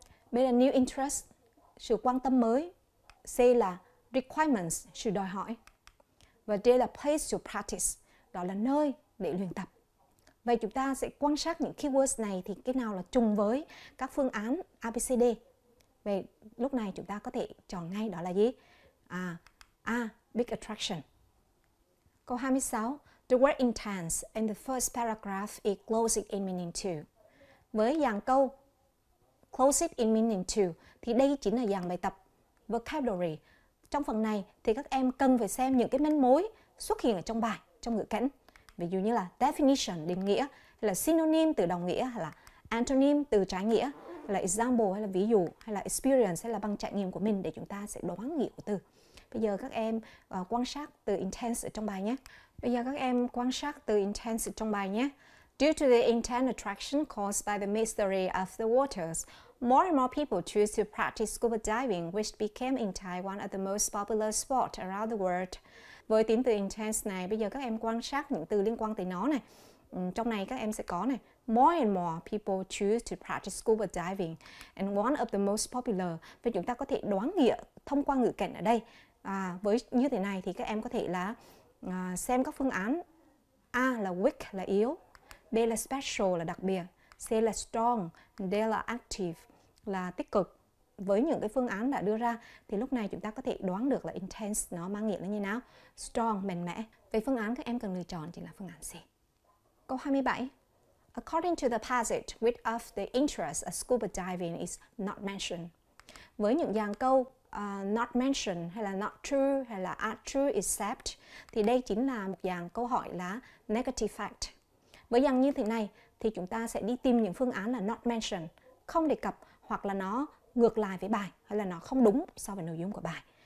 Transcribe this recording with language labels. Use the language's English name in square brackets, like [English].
[Vietnamese] B là [English] new interest, [Vietnamese] sự quan tâm mới. C là requirements, sự đòi hỏi. Và D là [English] place to practice, [Vietnamese] đó là nơi để luyện tập. Vậy chúng ta sẽ quan sát những keywords này thì cái nào là trùng với các phương án ABCD. Vậy lúc này chúng ta có thể chọn ngay đó là gì? [English] A, big attraction. [Vietnamese] Câu 26, [English] the word intense in the first paragraph is closing in meaning to. [Vietnamese] Với dạng câu [English] closing in meaning to [Vietnamese] thì đây chính là dạng bài tập vocabulary. Trong phần này thì các em cần phải xem những cái manh mối xuất hiện ở trong bài, trong ngữ cảnh. Ví dụ như là definition, định nghĩa, hay là synonym, từ đồng nghĩa, hay là antonym, từ trái nghĩa, hay là example, hay là ví dụ, hay là experience, hay là bằng trải nghiệm của mình để chúng ta sẽ đoán nghĩa của từ. Bây giờ các em quan sát từ intense ở trong bài nhé. Bây giờ các em quan sát từ intense trong bài nhé. [English] Due to the intense attraction caused by the mystery of the waters, more and more people choose to practice scuba diving, which became in Taiwan one of the most popular sport around the world. [Vietnamese] Với tính từ intense này, bây giờ các em quan sát những từ liên quan tới nó này. Trong này các em sẽ có này. [English] More and more people choose to practice scuba diving and one of the most popular. [Vietnamese] Và chúng ta có thể đoán nghĩa thông qua ngữ cảnh ở đây. Với như thế này thì các em có thể là xem các phương án. A là weak, là yếu. B là special, là đặc biệt. C là strong. D là active, là tích cực. Với những cái phương án đã đưa ra thì lúc này chúng ta có thể đoán được là intense nó mang nghĩa là như nào. Strong, mạnh mẽ. Vậy phương án các em cần lựa chọn chính là phương án C. Câu 27. [English] According to the passage, which of the interests of scuba diving is not mentioned? [Vietnamese] Với những dàn câu [English] not mentioned, [Vietnamese] hay là [English] not true, [Vietnamese] hay là [English] are true except, [Vietnamese] thì đây chính là một dàn câu hỏi là [English] negative fact. [Vietnamese] Với dàn như thế này, thì chúng ta sẽ đi tìm những phương án là [English] not mentioned, [Vietnamese] không đề cập, hoặc là nó ngược lại với bài, hay là nó không đúng so với nội dung của bài.